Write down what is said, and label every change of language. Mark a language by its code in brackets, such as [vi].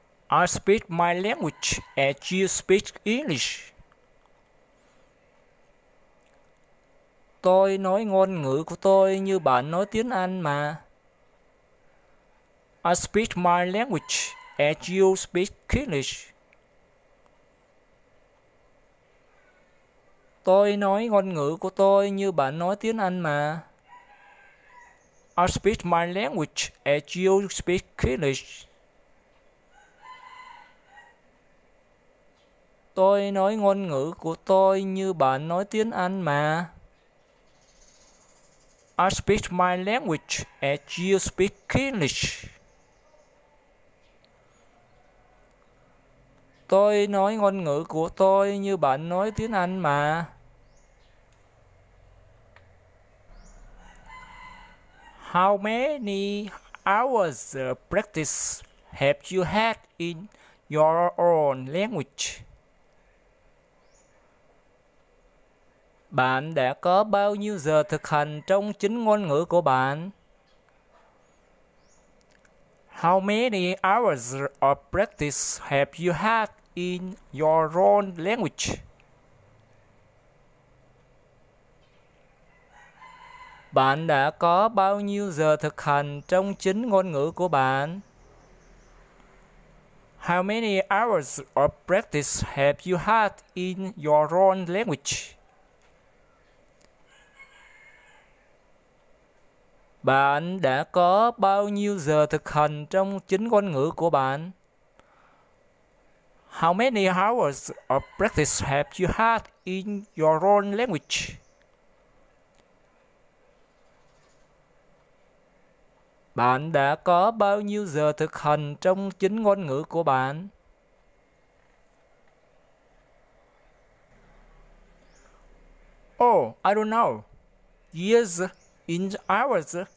[en] I speak my language as you speak English. [vi] Tôi nói ngôn ngữ của tôi như bạn nói tiếng Anh mà. [en] I speak my language as you speak English. [vi] Tôi nói ngôn ngữ của tôi như bạn nói tiếng Anh mà. [en] I speak my language as you speak English. [vi] Tôi nói ngôn ngữ của tôi như bạn nói tiếng Anh mà. [en] I speak my language as you speak English. [vi] Tôi nói ngôn ngữ của tôi như bạn nói tiếng Anh mà. [en] How many hours of practice have you had in your own language? [vi] Bạn đã có bao nhiêu giờ thực hành trong chính ngôn ngữ của bạn? [en] How many hours of practice have you had in your own language? [vi] Bạn đã có bao nhiêu giờ thực hành trong chính ngôn ngữ của bạn? [en] How many hours of practice have you had in your own language? [vi] Bạn đã có bao nhiêu giờ thực hành trong chính ngôn ngữ của bạn? [en] How many hours of practice have you had in your own language? [vi] Bạn đã có bao nhiêu giờ thực hành trong chính ngôn ngữ của bạn? [en] Oh, I don't know. Years in hours.